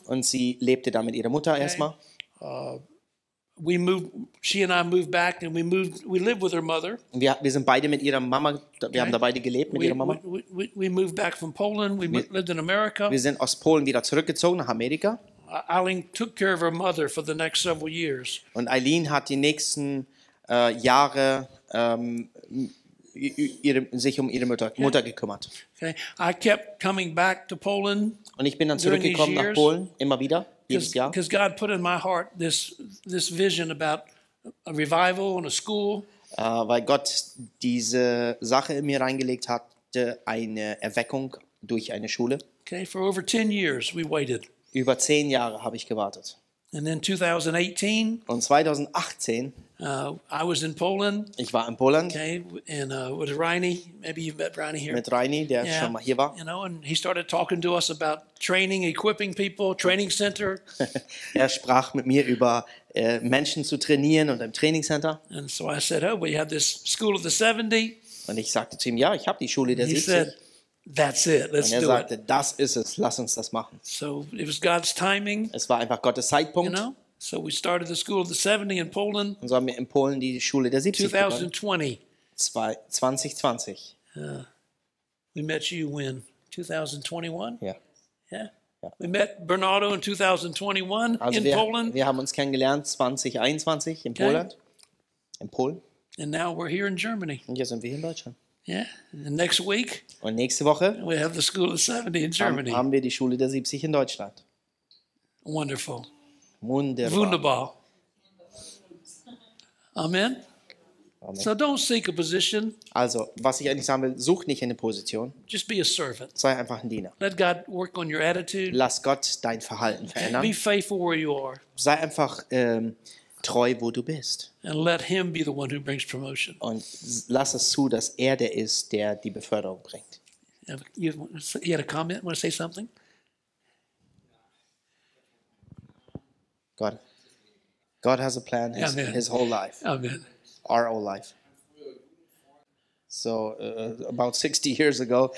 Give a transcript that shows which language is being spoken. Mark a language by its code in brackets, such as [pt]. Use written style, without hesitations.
[de] Und sie lebte da mit ihrer Mutter erstmal. [en] She and I moved back and we lived with her mother. [de] Wir sind beide mit ihrer Mama, wir haben da beide gelebt mit ihrer Mama. [en] We moved back from Poland, lived in America. [de] Wir sind aus Polen wieder zurückgezogen nach Amerika. [en] Eileen took care of her mother for the next several years. [de] Und Eileen hat die nächsten Jahre sich um ihre Mutter gekümmert. [en] Okay. I kept coming back to Poland. [de] Und ich bin dann zurückgekommen nach Polen, immer wieder, jedes Jahr. [en] Because God put in my heart this vision about a revival and a school. [de] Weil Gott diese Sache in mir reingelegt hatte, eine Erweckung durch eine Schule. [en] Okay, for over 10 years we waited. [de] Über 10 Jahre habe ich gewartet. [en] And then 2018. [de] Und 2018. [en] I was in Poland. [de] Ich war in Poland. [en] Okay, and with Reini. Maybe you've met Reini here. [de] Mit Reini, der schon mal hier war. [en] You know, and he started talking to us about training, equipping people, training center. [de] Er sprach mit mir über Menschen zu trainieren und im Trainingcenter. [en] And so I said, oh, we have this school of the 70. [de] Und ich sagte zu ihm, ja, ich habe die Schule der 70. [en] He said, that's it. Let's do it. [de] Und er sagte, das ist es. Lass uns das machen. [en] So it was God's timing. [de] Es war einfach Gottes Zeitpunkt. [en] You know? So we started the school of the 70 in Poland. [de] Und so haben wir in Polen die Schule der 70 begonnen. [en] 2020. We met you when 2021. Yeah. Yeah. Yeah. We met Bernardo in 2021 also in Poland. [de] Wir haben uns kennengelernt 2021 in Poland. In Polen. [en] And now we're here in Germany. [de] Und jetzt sind wir hier in Deutschland. [en] Yeah. And next week. [de] Und nächste Woche. [en] We have the school of 70 in Germany. [de] Haben wir die Schule der 70 in Deutschland. [en] Wonderful. [de] Wunderbar. Wunderbar. [en] Amen. So don't seek a position. [de] Also, was ich eigentlich sagen will, such nicht eine Position. [en] Just be a servant. [de] Sei einfach ein Diener. [en] Let God work on your attitude. [de] Lass Gott dein Verhalten verändern. [en] Be faithful where you are. [de] Sei einfach treu, wo du bist. [en] And let him be the one who brings promotion. [de] Und lass es zu, dass der ist, der die Beförderung bringt. [en] You had a comment? Want to say something? God has a plan his whole life. Amen. Our whole life. So about 60 years ago,